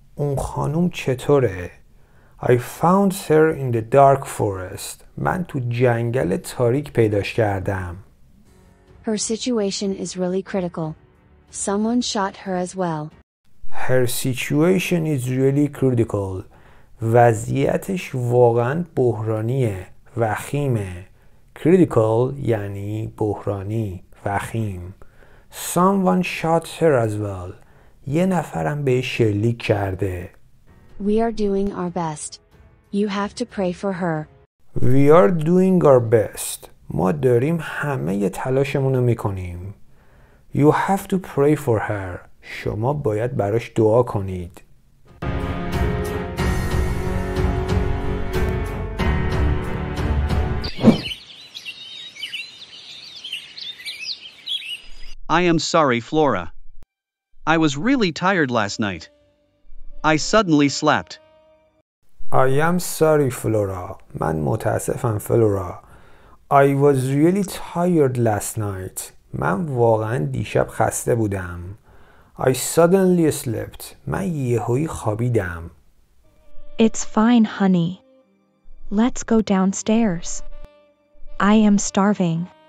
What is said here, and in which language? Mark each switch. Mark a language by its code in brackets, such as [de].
[fa] اون خانم چطوره؟ [en] I found her in the dark forest. [fa] من تو جنگل تاریک پیداش کردم. [en] Her situation is really critical. Someone shot her as well. Her situation is really critical. [fa] وضعیتش واقعا بحرانیه. وخیمه. Critical یعنی بحرانی. وخیم. [en] Someone shot her as well. [fa] یه نفرم به شلیک کرده. [en] We are doing our best. You have to pray for her. We are doing our best. [fa] ما داریم همه ی تلاشمونو میکنیم. [en] You have to pray for her. [fa] شما باید براش دعا کنید. [en] I am sorry, Flora. I was really tired last night. I suddenly slept. I am sorry, Flora. [fa] من متاسفم, Flora. [en] I was really tired last night. [fa] من واقعا دیشب خسته بودم. [en] I suddenly slept. [fa] من یهویی خوابیدم. [en] It's fine, honey. Let's go downstairs. I am starving.